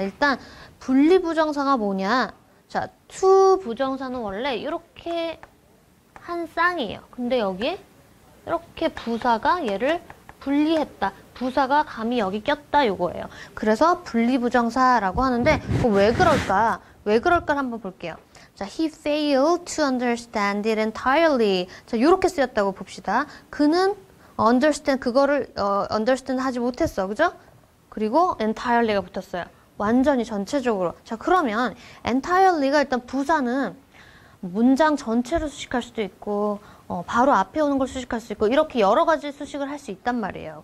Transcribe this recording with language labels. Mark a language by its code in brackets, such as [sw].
[ko] 일단 분리부정사가 뭐냐. 자, to 부정사는 원래 이렇게 한 쌍이에요. 근데 여기에 이렇게 부사가 얘를 분리했다. 부사가 감히 여기 꼈다 요거예요. 그래서 분리부정사라고 하는데 왜 그럴까? 왜 그럴까 한번 볼게요. [en] 자, he failed to understand it entirely. [ko] 자, 요렇게 쓰였다고 봅시다. 그는 understand 그거를 understand 하지 못했어. 그죠? 그리고 entirely가 붙었어요. 완전히 전체적으로. 자, 그러면 entirely가 일단 부사는 문장 전체로 수식할 수도 있고 바로 앞에 오는 걸 수식할 수 있고 이렇게 여러 가지 수식을 할 수 있단 말이에요.